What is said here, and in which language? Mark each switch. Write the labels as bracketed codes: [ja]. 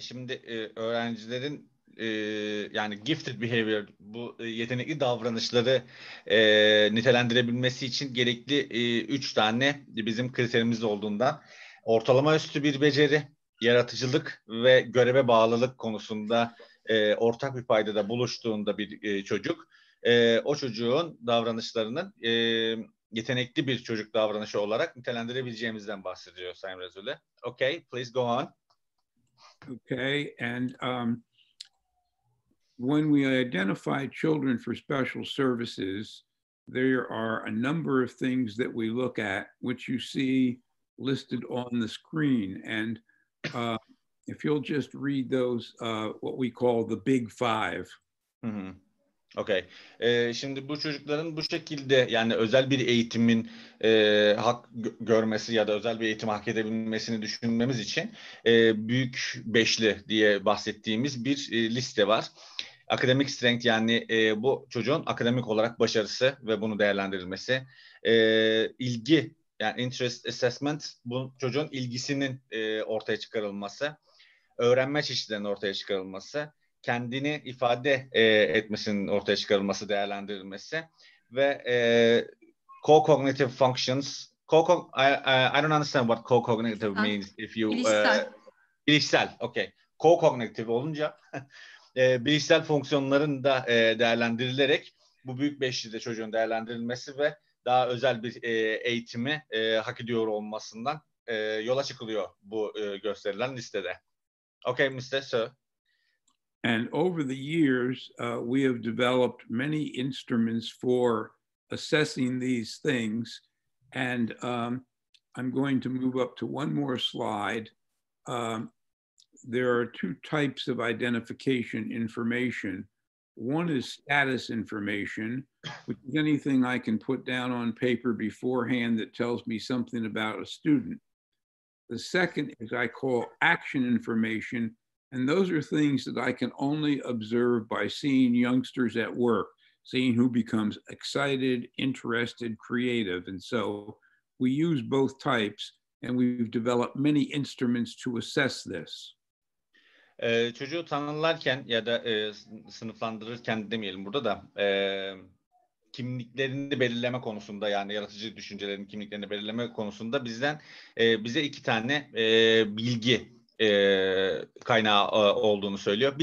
[tr] Şimdi öğrencilerin yani [en] gifted behavior, [tr] bu yetenekli davranışları nitelendirebilmesi için gerekli üç tane bizim kriterimiz olduğundan, ortalama üstü bir beceri, yaratıcılık ve göreve bağlılık konusunda ortak bir paydada buluştuğunda bir çocuk, o çocuğun davranışlarının yetenekli bir çocuk davranışı olarak nitelendirebileceğimizden bahsediyor Sayın Rezule. [en] Okay, please go on. Okay, and when we identify children for special services, there are a number of things that we look at, which you see listed on the screen. And if you'll just read those, what we call the big five. Mm-hmm. Okay. [tr] Şimdi bu çocukların bu şekilde yani özel bir eğitimin hak görmesi ya da özel bir eğitim hak edebilmesini düşünmemiz için büyük beşli diye bahsettiğimiz bir liste var. [en] Academic strength [tr] yani bu çocuğun akademik olarak başarısı ve bunu değerlendirilmesi. İlgi yani [en] interest assessment [tr] bu çocuğun ilgisinin ortaya çıkarılması. Öğrenme çeşitlerinin ortaya çıkarılması. Kendini ifade etmesinin ortaya çıkarılması, değerlendirilmesi. [en] Ve co-cognitive functions. I don't understand what co-cognitive means. If you, [tr] bilişsel. Okay. Co-cognitive olunca... bilişsel fonksiyonların da değerlendirilerek bu büyük beşlide çocuğun değerlendirilmesi ve daha özel bir eğitimi hak ediyor olmasından yola çıkılıyor bu gösterilen listede. [en] Okay, Mr. Sir. And over the years, we have developed many instruments for assessing these things. And I'm going to move up to one more slide. There are two types of identification information. One is status information, which is anything I can put down on paper beforehand that tells me something about a student. The second is I call action information, and those are things that I can only observe by seeing youngsters at work, seeing who becomes excited, interested, creative. And so we use both types, and we've developed many instruments to assess this. [tr] Çocuğu tanımlarken ya da sınıflandırırken demeyelim burada da kimliklerini belirleme konusunda yani yaratıcı düşüncelerin kimliklerini belirleme konusunda bizden bize iki tane bilgi kaynağı olduğunu söylüyor.